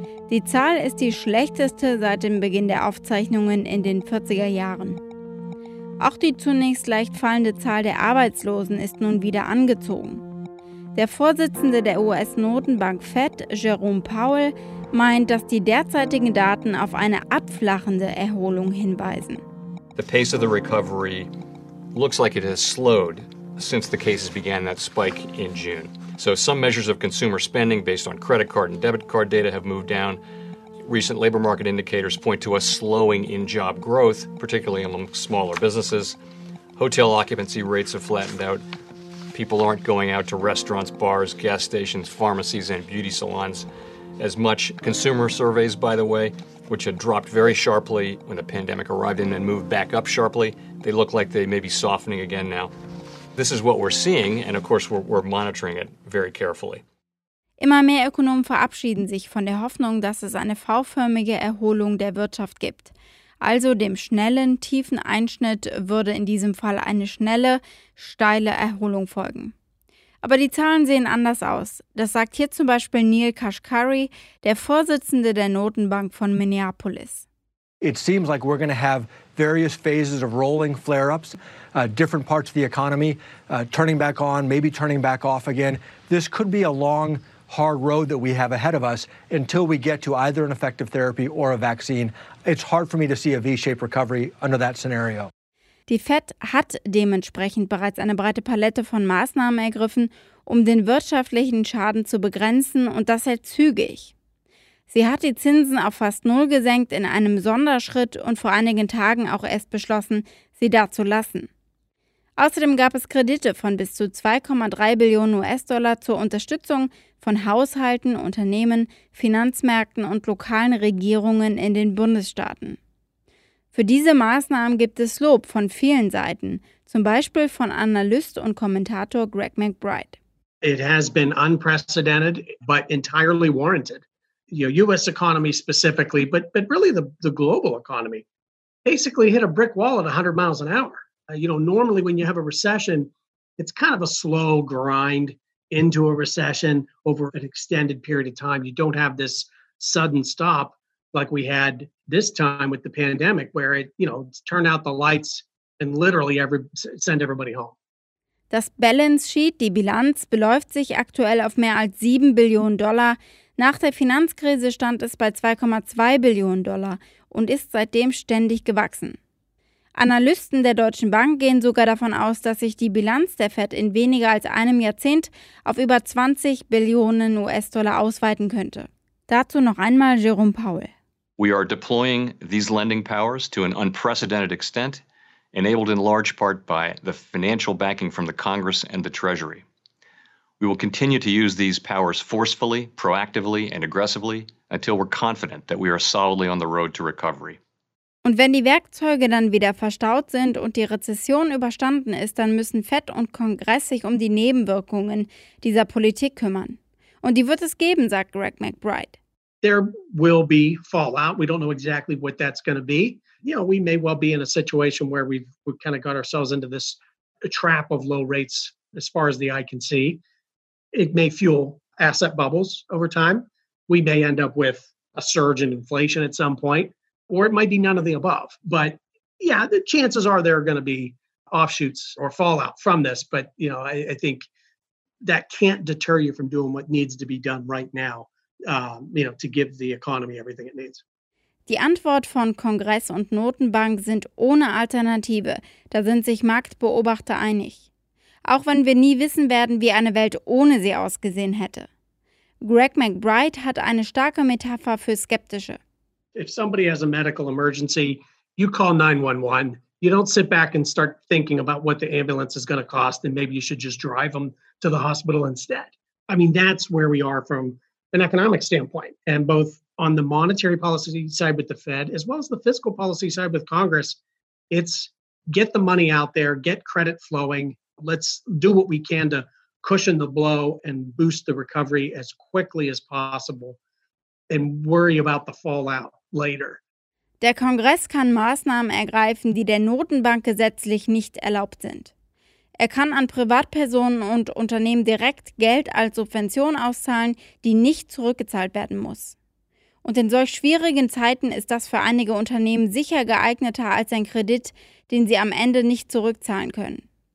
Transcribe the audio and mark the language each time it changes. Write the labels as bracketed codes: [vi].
[de] Die Zahl ist die schlechteste seit dem Beginn der Aufzeichnungen in den 40er Jahren. Auch die zunächst leicht fallende Zahl der Arbeitslosen ist nun wieder angezogen. Der Vorsitzende der US-Notenbank Fed, Jerome Powell, meint, dass die derzeitigen Daten auf eine abflachende Erholung hinweisen. [en] The pace of the recovery looks like it has slowed since the cases began that spike in June. So some measures of consumer spending based on credit card and debit card data have moved down. Recent labor market indicators point to a slowing in job growth, particularly among smaller businesses. Hotel occupancy rates have flattened out. People aren't going out to restaurants, bars, gas stations, pharmacies, and beauty salons as much. Consumer surveys, by the way, which had dropped very sharply when the pandemic arrived and then moved back up sharply, they look like they may be softening again now. This is what we're seeing, and of course we're monitoring it very carefully. [de] Immer mehr Ökonomen verabschieden sich von der Hoffnung, dass es eine V-förmige Erholung der Wirtschaft gibt. Also dem schnellen, tiefen Einschnitt würde in diesem Fall eine schnelle, steile Erholung folgen. Aber die Zahlen sehen anders aus. Das sagt hier zum Beispiel Neil Kashkari, der Vorsitzende der Notenbank von Minneapolis. [en] It seems like we're going to have various phases of rolling flare-ups, different parts of the economy turning back on, maybe turning back off again. This could be a long, hard road that we have ahead of us until we get to either an effective therapy or a vaccine. It's hard for me to see a V-shaped recovery under that scenario. [de] Die Fed hat dementsprechend bereits eine breite Palette von Maßnahmen ergriffen, um den wirtschaftlichen Schaden zu begrenzen und das sehr zügig. Sie hat die Zinsen auf fast null gesenkt in einem Sonderschritt und vor einigen Tagen auch erst beschlossen, sie da zu lassen. Außerdem gab es Kredite von bis zu 2,3 Billionen US-Dollar zur Unterstützung von Haushalten, Unternehmen, Finanzmärkten und lokalen Regierungen in den Bundesstaaten. Für diese Maßnahmen gibt es Lob von vielen Seiten, zum Beispiel von Analyst und Kommentator Greg McBride. [en] It has been unprecedented, but entirely warranted. You know, US economy specifically, but really the global economy basically hit a brick wall at 100 miles an hour. You know, normally when you have a recession, it's kind of a slow grind into a recession over an extended period of time. You don't have this sudden stop like we had this time with the pandemic, where it, you know, turn out the lights and literally send everybody home. [de] Das Balance Sheet, die Bilanz, beläuft sich aktuell auf mehr als 7 Billionen Dollar. Nach der Finanzkrise stand es bei 2,2 Billionen Dollar und ist seitdem ständig gewachsen. Analysten der Deutschen Bank gehen sogar davon aus, dass sich die Bilanz der Fed in weniger als einem Jahrzehnt auf über 20 Billionen US-Dollar ausweiten könnte. Dazu noch einmal Jerome Powell. [en] We are deploying these lending powers to an unprecedented extent, enabled in large part by the financial backing from the Congress and the Treasury. We will continue to use these powers forcefully, proactively, and aggressively until we're confident that we are solidly on the road to recovery. [de] Und wenn die Werkzeuge dann wieder verstaut sind und die Rezession überstanden ist, dann müssen Fed und Kongress sich um die Nebenwirkungen dieser Politik kümmern. Und die wird es geben, sagt Greg McBride. [en] There will be fallout. We don't know exactly what that's going to be. You know, we may well be in a situation where we've kind of got ourselves into this trap of low rates as far as the eye can see. It may fuel asset bubbles over time. We may end up with a surge in inflation at some point. Or it might be none of the above. But yeah, the chances are there are going to be offshoots or fallout from this. But, you know, I think that can't deter you from doing what needs to be done right now, to give the economy everything it needs. [de] Die Antwort von Kongress und Notenbank sind ohne Alternative. Da sind sich Marktbeobachter einig. Auch wenn wir nie wissen werden, wie eine Welt ohne sie ausgesehen hätte. Greg McBride hat eine starke Metapher für Skeptische. [en] If somebody has a medical emergency, you call 911. You don't sit back and start thinking about what the ambulance is going to cost and maybe you should just drive them to the hospital instead. I mean, that's where we are from an economic standpoint. And both on the monetary policy side with the Fed, as well as the fiscal policy side with Congress, it's get the money out there, get credit flowing. Let's do what we can to cushion the blow and boost the recovery as quickly as possible and worry about the fallout. Later. [de] Der Kongress kann Maßnahmen ergreifen, die der Notenbank gesetzlich nicht erlaubt sind. Er kann an Privatpersonen und Unternehmen direkt Geld als Subvention auszahlen, die nicht zurückgezahlt werden muss. Und in solch schwierigen Zeiten ist das für einige Unternehmen sicher geeigneter als ein Kredit, den sie am Ende nicht zurückzahlen können.